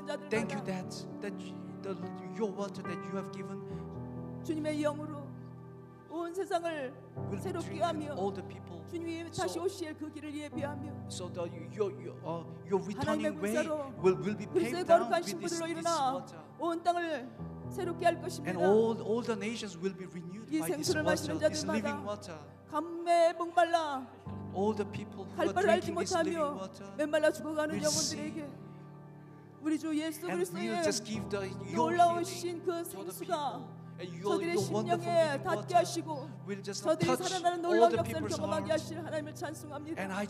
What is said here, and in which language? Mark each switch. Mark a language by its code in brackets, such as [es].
[en] Thank you that your water that you have given. [ko] 주님의 영으로 온 세상을 새롭게 하며 [en] all the people. [ko] 주님이 다시 오실 그 길을 예비하며. [en] So that your returning way will be paved down with this water. [ko] 온 땅을 새롭게 할 것입니다. [en] And all the nations will be renewed by this water. [ko] 마시는 [en] this living water. [ko] 감매 목말라. [en] All the people who are drinking this living water. [ko] 맨말라 죽어가는 영혼들에게. 우리 주 예수 그리스도의 놀라우신 그 생수가 저들의 심령에 닿게 하시고 저들이 살아나는 놀라운 역사를 경험하게 하실 하나님을 찬송합니다.